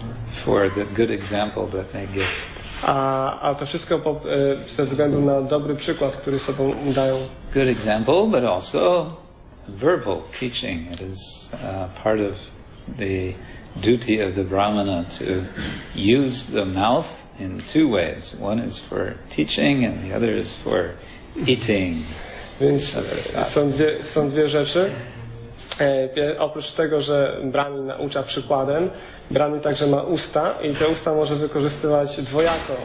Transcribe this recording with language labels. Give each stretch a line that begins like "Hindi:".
English: For the good example that they give.
Polish: A to wszystko ze względu na dobry przykład, który sobą dają.
English: Good example, but also verbal teaching. It is part of the duty of the brahmana to use the mouth in two ways. One is for teaching and the other is for eating.
Polish: Więc są dwie rzeczy. Oprócz tego, że brahmin naucza przykładem, brahmin także ma usta i te usta może wykorzystywać dwojako.